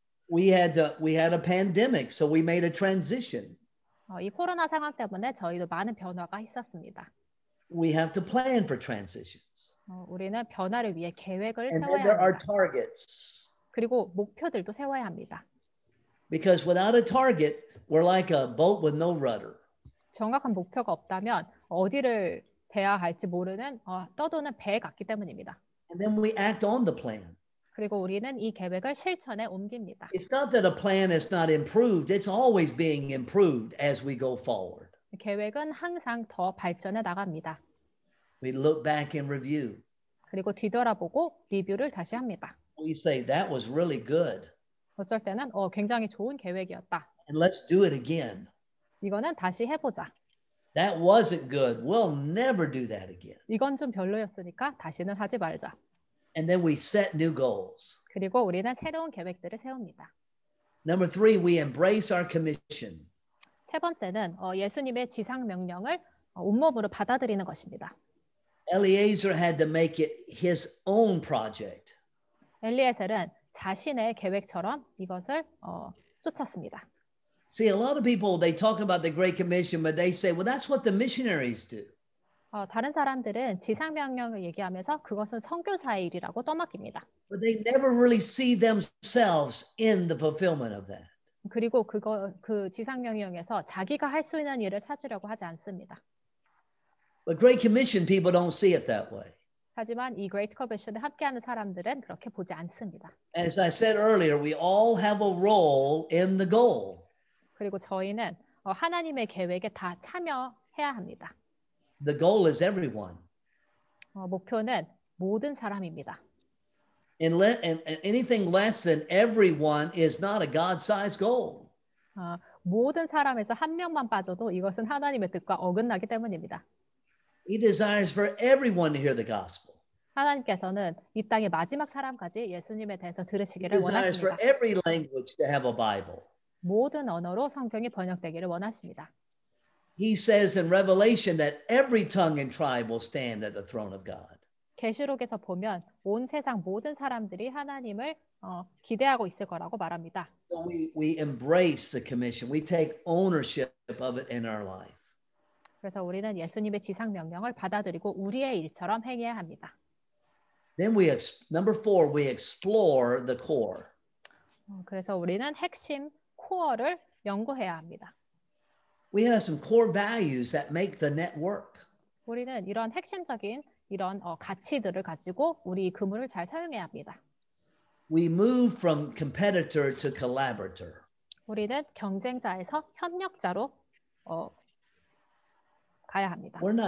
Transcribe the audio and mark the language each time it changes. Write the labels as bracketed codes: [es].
[en] We had a pandemic, so we made a transition. [ko] 이 코로나 상황 때문에 저희도 많은 변화가 있었습니다. [en] We have to plan for transitions. [ko] 우리는 변화를 위해 계획을 [en] and [ko] 세워야 [en] there [ko] 합니다. [en] Are targets. [ko] 그리고 목표들도 세워야 합니다. [en] Because without a target, we're like a boat with no rudder. [ko] 정확한 목표가 없다면 어디를 대야 할지 모르는 떠도는 배 같기 때문입니다. [en] And then we act on the plan. [ko] 그리고 우리는 이 계획을 실천에 옮깁니다. [en] It's not that a plan is not improved. It's always being improved as we go forward. [ko] 계획은 항상 더 발전해 나갑니다. [en] We look back and review. [ko] 그리고 뒤돌아보고 리뷰를 다시 합니다. [en] We say that was really good. [ko] 어쩔 때는 굉장히 좋은 계획이었다. [en] And let's do it again. [ko] 이거는 다시 해보자. [en] That wasn't good. We'll never do that again. [ko] 이건 좀 별로였으니까 다시는 하지 말자. [en] And then we set new goals. [ko] 그리고 우리는 새로운 계획들을 세웁니다. [en] Number three, we embrace our commission. [ko] 세 번째는 예수님의 지상 명령을 온몸으로 받아들이는 것입니다. [en] Eliezer had to make it his own project. [ko] 엘리에셀은 자신의 계획처럼 이것을 쫓았습니다. [en] See, a lot of people, they talk about the Great Commission, but they say, well, that's what the missionaries do. [ko] 다른 사람들은 지상명령을 얘기하면서 그것은 선교사의 일이라고 떠맡깁니다. [en] But they never really see themselves in the fulfillment of that. [ko] 그리고 그 지상명령에서 자기가 할 수 있는 일을 찾으려고 하지 않습니다. [en] The Great Commission, people don't see it that way. [ko] 하지만 이 Great Commission에 함께하는 사람들은 그렇게 보지 않습니다. [en] As I said earlier, we all have a role in the goal. [ko] 그리고 저희는 하나님의 계획에 다 참여해야 합니다. [en] The goal is everyone. [ko] 목표는 모든 사람입니다. [en] And anything less than everyone is not a God-sized goal. [ko] 모든 사람에서 한 명만 빠져도 이것은 하나님의 뜻과 어긋나기 때문입니다. [en] He desires for everyone to hear the gospel. [ko] 하나님께서는 이 땅의 마지막 사람까지 예수님에 대해서 들으시기를 [en] He desires [ko] 원하십니다. [en] For every language to have a Bible. [ko] 모든 언어로 성경이 번역되기를 원하십니다. [en] He says in Revelation that every tongue and tribe will stand at the throne of God. [ko] 계시록에서 보면 온 세상 모든 사람들이 하나님을 기대하고 있을 거라고 말합니다. [en] So we embrace the commission. We take ownership of it in our life. [ko] 그래서 우리는 예수님의 지상 명령을 받아들이고 우리의 일처럼 행해야 합니다. [en] Then we number four, we explore the core. [ko] 그래서 우리는 핵심 코어를 연구해야 합니다. [en] We have some core values that make the network. [ko] 우리는 이런 핵심적인 이런 가치들을 가지고 우리 그물을 잘 사용해야 합니다. [en] We move from competitor to collaborator. [ko] 우리는 경쟁자에서 협력자로 가야 합니다.